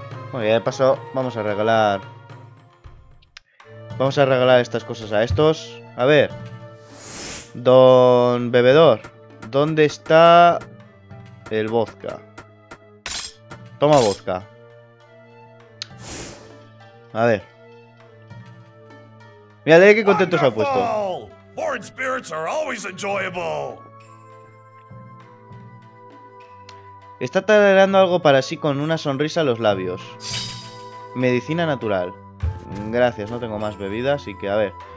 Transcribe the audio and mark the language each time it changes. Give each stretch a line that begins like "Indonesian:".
Spanish: Bueno, ya de paso, vamos a regalar... Vamos a regalar estas cosas a estos. A ver. Don Bebedor. ¿Dónde está el vodka? Toma vodka. A ver. Mira, de qué contento se ha puesto.
English: Foreign spirits are always enjoyable.
Spanish: Está tarareando algo para sí con una sonrisa en los labios. Medicina natural. Gracias, no tengo más bebida, así que a ver.